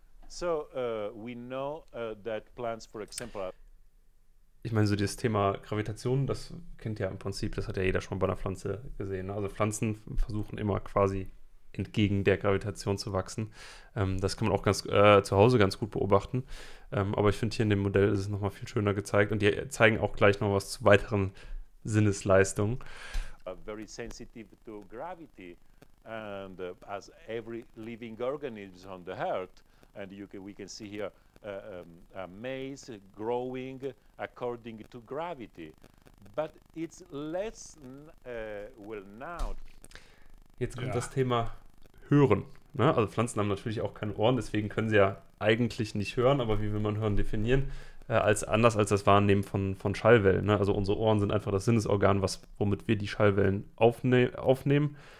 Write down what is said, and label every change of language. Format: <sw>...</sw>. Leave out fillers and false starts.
<en>So we know that plants, for example, are.</en> <de>Ich meine, so dieses Thema Gravitation, das kennt ja im Prinzip, das hat ja jeder schon bei einer Pflanze gesehen. Also Pflanzen versuchen immer quasi entgegen der Gravitation zu wachsen. Das kann man auch ganz zu Hause ganz gut beobachten. Aber ich finde, hier in dem Modell ist es nochmal viel schöner gezeigt. Und die zeigen auch gleich noch was zu weiteren Sinnesleistungen.</de> <en>Very sensitive to gravity and as every living organism on the earth. And we can see here a maize growing according to gravity. But it's less well now.</en> <de>Jetzt kommt ja das Thema Hören. Ne? Also Pflanzen haben natürlich auch keine Ohren, deswegen können sie ja eigentlich nicht hören, aber wie will man hören definieren, als anders als das Wahrnehmen von Schallwellen. Ne? Also unsere Ohren sind einfach das Sinnesorgan, womit wir die Schallwellen aufnehmen.</de>